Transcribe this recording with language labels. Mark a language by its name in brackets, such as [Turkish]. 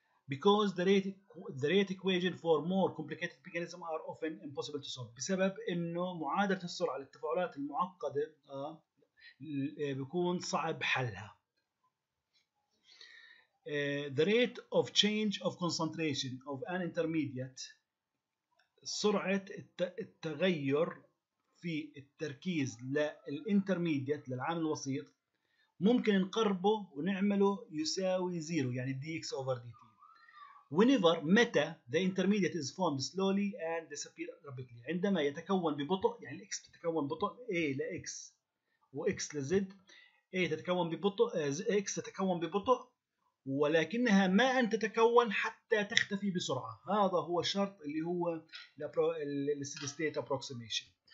[English] Because the rate equation for more complicated mechanisms are often impossible to solve. [Arabic] بسبب إنه معادلة السرعة للتفاعلات المعقدة بيكون صعب حلها. [English] The rate of change of concentration of an intermediate. [Arabic] سرعة التغير في التركيز للإنترميديت للعامل الوسيط ممكن نقربه ونعمله يساوي زيرو، يعني dx over dt. [English] Whenever, متى the intermediate is formed slowly and disappear rapidly. [Arabic] عندما يتكون ببطء، يعني الـ X تتكون ببطء، A لـ X و X لـ Z. A تتكون ببطء، X تتكون ببطء، ولكنها ما أن تتكون حتى تختفي بسرعة. هذا هو الشرط اللي هو الـ steady state approximation.